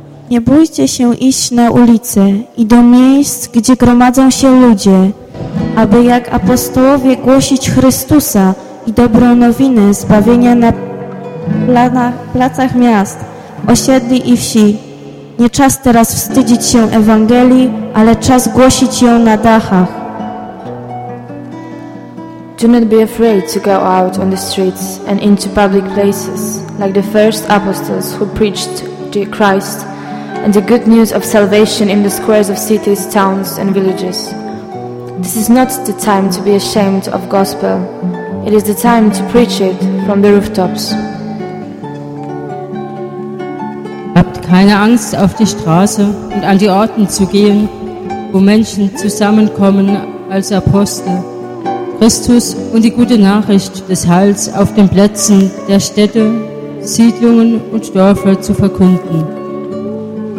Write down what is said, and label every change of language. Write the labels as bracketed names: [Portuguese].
[Polish] Nie bójcie się iść na ulicę i do miejsc, gdzie gromadzą się ludzie, aby jak apostołowie głosić Chrystusa i dobrą nowinę zbawienia na placach miast, osiedli i wsi. Nie czas teraz wstydzić się Ewangelii, ale czas głosić ją na dachach. [English] Do not be afraid to go out on the streets and into public places, like the first apostles who preached to Christ and the good news of salvation in the squares of cities, towns and villages. This is not the time to be ashamed of gospel. It is the time to preach it from the rooftops. [German] Habt keine Angst, auf die Straße und an die Orten zu gehen, wo Menschen zusammenkommen als Apostel. Christus und die gute Nachricht des Heils auf den Plätzen der Städte, Siedlungen und Dörfer zu verkünden.